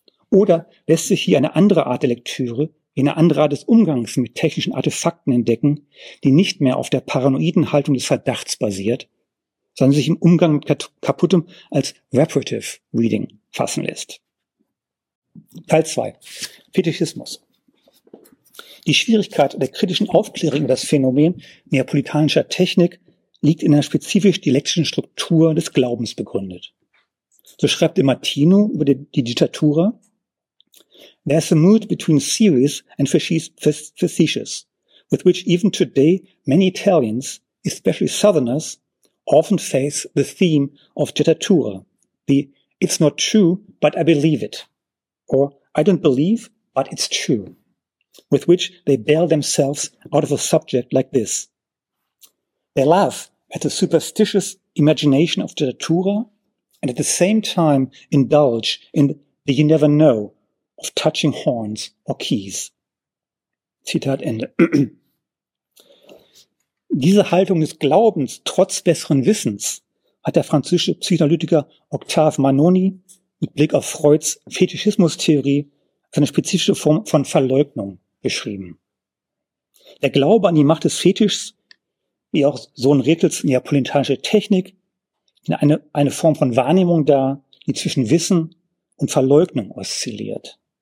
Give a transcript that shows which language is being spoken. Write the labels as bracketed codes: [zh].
[de] Oder lässt sich hier eine andere Art der Lektüre, eine andere Art des Umgangs mit technischen Artefakten entdecken, die nicht mehr auf der paranoiden Haltung des Verdachts basiert, sondern sich im Umgang mit Kaputtem als Reparative Reading fassen lässt? Teil 2. Fetischismus. Die Schwierigkeit der kritischen Aufklärung über das Phänomen neapolitanischer Technik liegt in der spezifisch dialektischen Struktur des Glaubens begründet. So schreibt Martino über die Diktatura, [en] there's a mood between serious and facetious, with which even today many Italians, especially Southerners, often face the theme of Jettatura, the "it's not true, but I believe it," or "I don't believe, but it's true," with which they bail themselves out of a subject like this. They laugh at the superstitious imagination of Jettatura and at the same time indulge in the "you never know" of touching horns or keys. [de] Zitat Ende. Diese Haltung des Glaubens trotz besseren Wissens hat der französische Psychoanalytiker Octave Manoni mit Blick auf Freuds Fetischismustheorie als eine spezifische Form von Verleugnung beschrieben. Der Glaube an die Macht des Fetischs, wie auch Sohn Rekels neapolitanische Technik, stellt eine Form von Wahrnehmung dar, die zwischen Wissen und Verleugnung oszilliert.